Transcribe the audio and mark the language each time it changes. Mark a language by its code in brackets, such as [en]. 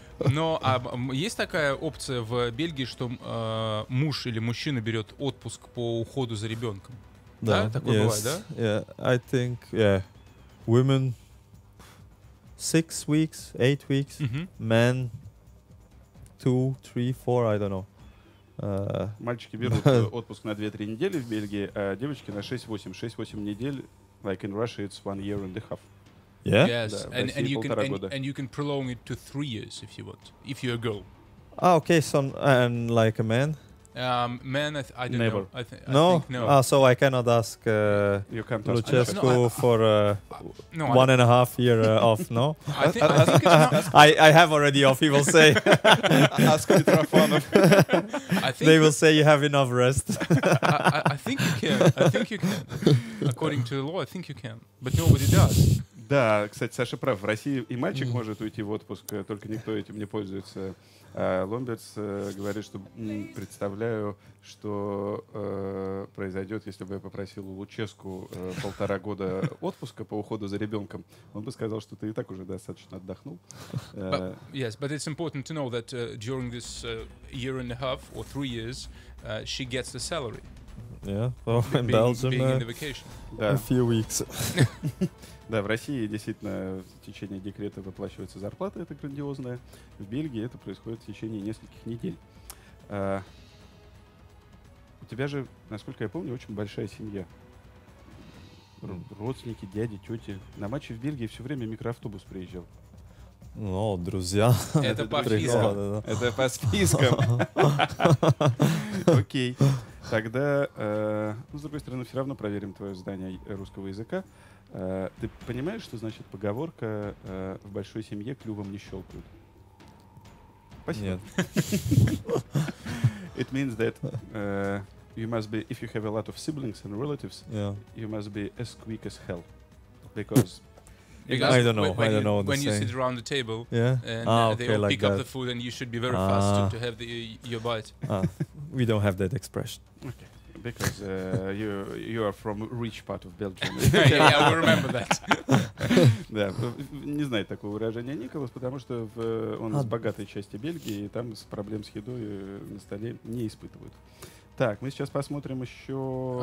[ru] Но есть такая опция в Бельгии, что муж или мужчина берет отпуск по уходу за ребенком? Да, такое yes. бывает, да? [en] Yeah, I think, yeah, women 6 weeks, 8 weeks, mm-hmm. men 2, 3, 4, I don't know. [ru] Мальчики берут отпуск на 2-3 недели в Бельгии, а девочки на 6-8. 6-8 недель, [en] like in Russia, it's 1 year and a half. Yeah? Yes, да, and you can and you can prolong it to 3 years if you want, if you're a girl. Ah, okay, so and like a man? Man, I don't Never. Know. No? Think, no? Ah, so I cannot ask Lucescu for 1.5 years off, no? I think it's not. I have already off, he will say. Ask Mitrofanov. They will say you have enough rest. I think you can. According to the law, I think you can. But nobody does. [ru] Да, кстати, Саша прав. В России и мальчик может уйти в отпуск, только никто этим не пользуется. Ломберс говорит, что представляю, что произойдет, если бы я попросил у Луческу 1.5 года отпуска по уходу за ребенком. Он бы сказал, что ты и так уже достаточно отдохнул. [en] Yes, but it's important to know that during this year and a half or 3 years, she gets the salary. Yeah, so in Belgium, being in the vacation. Да. A few weeks. [ru] Да, в России действительно в течение декрета выплачивается зарплата, это грандиозная. В Бельгии это происходит в течение нескольких недель. У тебя же, насколько я помню, очень большая семья. Родственники, дяди, тети. На матче в Бельгии все время микроавтобус приезжал. Ну, друзья. Это по спискам. Это по спискам. Окей. Тогда, с другой стороны, все равно проверим твое знание русского языка. Ты понимаешь, что значит поговорка «в большой семье клювом не щелкают»? Спасибо. Нет. [en] It means that you must be, if you have a lot of siblings and relatives, yeah. you must be as quick as hell. Because... Because I don't know. I don't know. When you sit around the table, yeah, and they will pick up the food, and you should be very fast to have the your bite. We don't have that expression. Okay, because you are from rich part of Belgium. Yeah, we remember that. [ru] Да, не знает такого выражения Николас, потому что он из богатой части Бельгии, и там проблем с едой на столе не испытывают. Так, мы сейчас посмотрим еще...